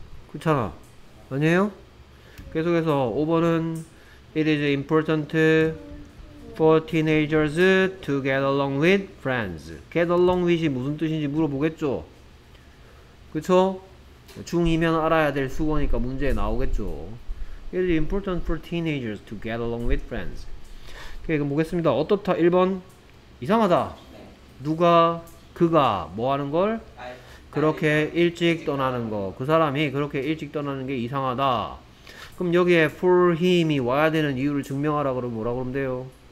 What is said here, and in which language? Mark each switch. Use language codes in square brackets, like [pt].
[ko] 그렇잖아. 아니에요? 계속해서 5번은 [en] It is important for teenagers to get along with friends. [ko] Get along with이 무슨 뜻인지 물어보겠죠? 그쵸? 중이면 알아야 될 수거니까 문제에 나오겠죠. [en] It is important for teenagers to get along with friends. [ko] 오케이, 그럼 보겠습니다. 어떻다? 1번 이상하다. 누가? 그가? 뭐 하는 걸? 그렇게 일찍 떠나는 거. 그 사람이 그렇게 일찍 떠나는 게 이상하다. 그럼 여기에 for him이 와야 되는 이유를 증명하라 그러면 뭐라고 그러면 돼요?